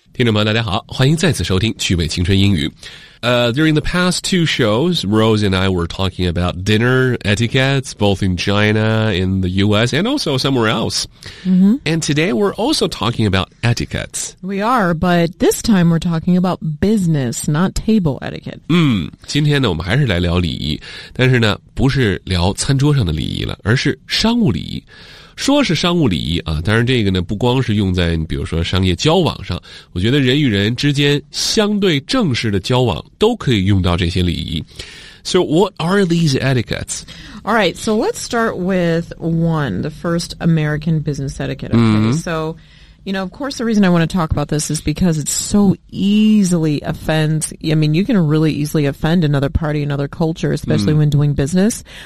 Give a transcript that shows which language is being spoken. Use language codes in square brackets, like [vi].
[zh] 听众朋友大家好，欢迎再次收听趣味青春英语。 [en] During the past two shows, Rose and I were talking about dinner etiquettes, both in China, in the US, and also somewhere else. Mm-hmm. And today we're also talking about etiquettes. We are, but this time we're talking about business, not table etiquette. [zh] 今天呢我们还是来聊礼仪，但是呢不是聊餐桌上的礼仪了，而是商务礼仪。说是商务礼仪啊，当然这个呢不光是用在比如说商业交往上，我觉得人与人之间相对正式的交往都可以用到这些礼仪。 [en] So what are these etiquettes? All right, so let's start with one, the first American business etiquette. Okay, So, you know, of course the reason I want to talk about this is because it's so easily offends, I mean, you can really easily offend another party, another culture, especially when doing business.